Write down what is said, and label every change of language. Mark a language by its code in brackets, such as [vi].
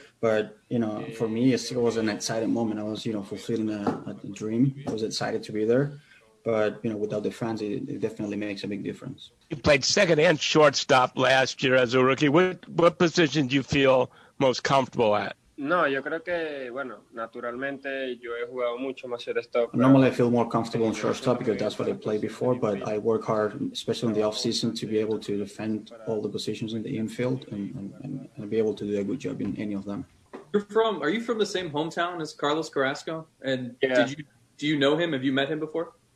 [en] But, you know, for me, it still was an exciting moment. I was, you know, fulfilling a dream. I was excited to be there. But, you know, without the fans, it definitely makes a big difference. You played second and shortstop last year as a rookie. What position do you feel most comfortable at? [es] No, yo creo que, bueno, naturalmente yo he jugado mucho más shortstop. [en] Normally I feel more comfortable in shortstop because that's what I play before, but I work hard, especially in the offseason, to be able to defend all the positions in the infield and be able to do a good job in any of them. Are you from the same hometown as Carlos Carrasco? And yeah. Do you know him? Have you met him before?